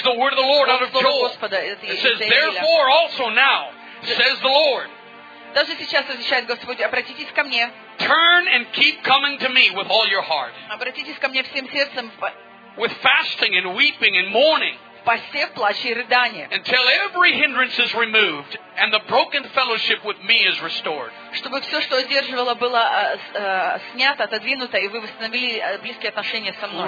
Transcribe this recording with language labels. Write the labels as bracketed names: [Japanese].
[English] Here's the word of the Lord out of Joel. It says, therefore also now, says the Lord, [Russian] даже сейчас отвечает Господь, обратитесь ко мне. [English] Turn and keep coming to me with all your heart. [Russian] Обратитесь ко мне всем сердцем. [English] With fasting and weeping and mourning. [Russian] В посте, плаче и рыдание. [English] Until every hindrance is removed and the broken fellowship with me is restored. [Russian] Чтобы все, что одерживало, было снято, отодвинуто, и вы восстановили близкие отношения со мной.